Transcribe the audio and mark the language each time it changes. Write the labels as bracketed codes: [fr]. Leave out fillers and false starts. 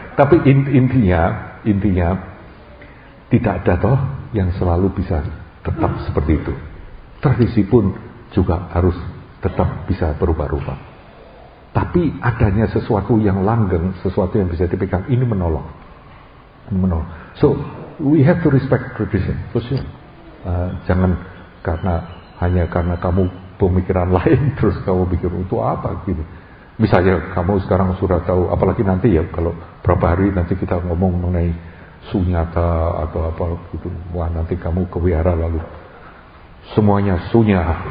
[id] Tapi intinya tidak ada toh yang selalu bisa tetap seperti itu. Tradisi pun juga harus tetap bisa berubah-ubah. Tapi adanya sesuatu yang langgeng, sesuatu yang bisa dipegang, ini menolong. Menolong. [en] So, we have to respect tradition. For sure. [id] Jangan karena hanya karena kamu pemikiran lain terus kamu pikir itu apa gitu. Misalnya kamu sekarang sudah tahu, apalagi nanti ya kalau berapa hari nanti kita ngomong mengenai sunyata atau apa gitu. Wah, nanti kamu ke wihara lalu semuanya sunya.